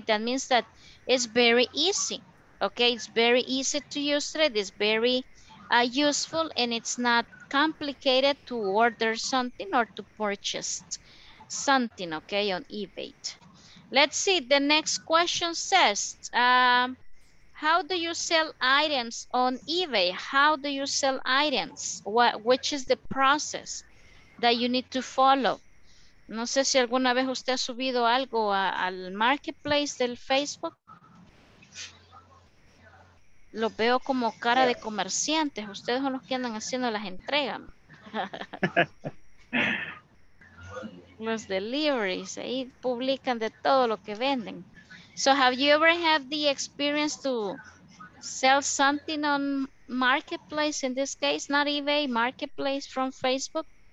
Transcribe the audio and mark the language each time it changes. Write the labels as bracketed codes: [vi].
[en] That means that it's very easy, okay? It's very easy to use it, it's very useful, and it's not complicated to order something or to purchase something, okay, on eBay. Let's see, the next question says, how do you sell items on eBay? How do you sell items? What, which is the process that you need to follow? [es] No sé si alguna vez usted ha subido algo a, al marketplace del Facebook. Lo veo como cara de comerciantes. Ustedes son los que andan haciendo las entregas. Los deliveries, ahí publican de todo lo que venden. [en] So have you ever had the experience to sell something on marketplace, in this case, not eBay, marketplace from Facebook?